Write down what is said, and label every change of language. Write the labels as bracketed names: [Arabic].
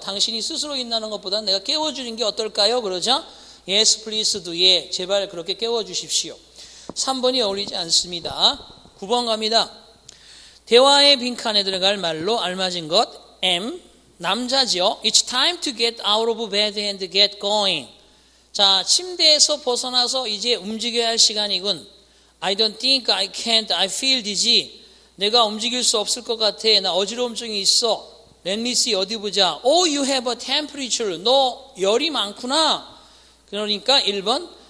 [Korean] 당신이 스스로 있다는 것보다 내가 깨워주는 게 어떨까요? [English] 그러자 Yes, please do. [Korean] 예, 제발 그렇게 깨워주십시오. 3번이 어울리지 않습니다. 9번 갑니다. 대화의 빈칸에 들어갈 말로 알맞은 것 M 남자지요. [English] It's time to get out of bed and get going. [Korean] 자, 침대에서 벗어나서 이제 움직여야 할 시간이군. [English] I don't think I can't. I feel dizzy. [Korean] 내가 움직일 수 없을 것 같아. 나 어지러움증이 있어. [English] Let me see. [Korean] 어디 보자. [English] Oh, you have a temperature. [Korean] 너 열이 많구나. 그러니까 1번.